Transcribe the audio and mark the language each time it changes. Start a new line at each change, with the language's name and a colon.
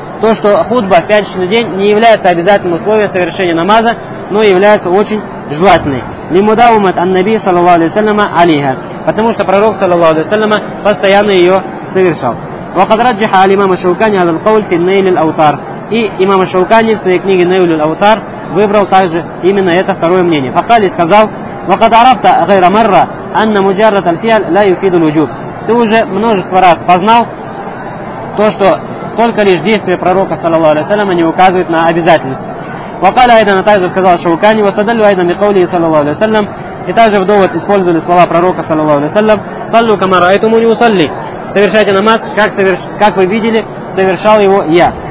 Russian: То, что худба в пятничный день не является обязательным условием совершения намаза, но является очень желательной. «Лимудаумат ан-наби, саллаллаху алейхи ва саллям, алейха». Потому что пророк, саллаллаху алейхи ва саллям, постоянно ее совершал. «Вакад раджиха аль-имама Шаукани аль-кауль фи нейли аль-аутар». И имам Шаукани в своей книге «Нейли аль-аутар» выбрал также именно это второе мнение. Факали сказал:
Arabic: وقد عرفت غير مرة أن مجرد الفعل لا يفيد الوجوب.
Russian: Ты уже множество раз познал то, что только лишь действия пророка, саллаллаху алейхи ва саллям, они указывают на обязательность. Вакаля айдан атайзу сказал Шаукани, васадалю айдан бикаули, саллаллаху алейхи ва саллям, и также в довод использовали слова пророка, саллаллаху алейхи ва саллям, саллю камара айтуму не усалли, совершайте намаз, как вы видели, совершал его я.